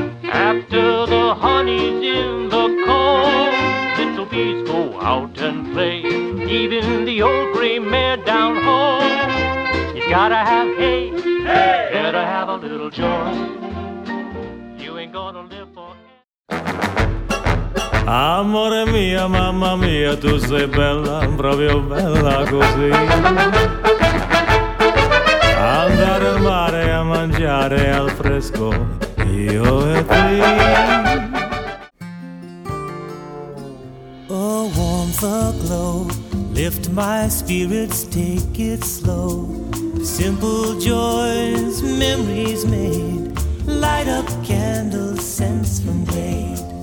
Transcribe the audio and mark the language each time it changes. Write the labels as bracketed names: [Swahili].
[English] After the honey's in the comb, little bees go out and play. Even the old gray mare down home, he's gotta have hay. Hey! Better have a little joy. You ain't gonna live for. [Italian] Amore mia, mamma mia, tu sei bella, proprio bella così. Andare al mare a mangiare al fresco, io e te. [English] Oh, warmth aglow, lift my spirits, take it slow. Simple joys, memories made, light up candles, scents from clay.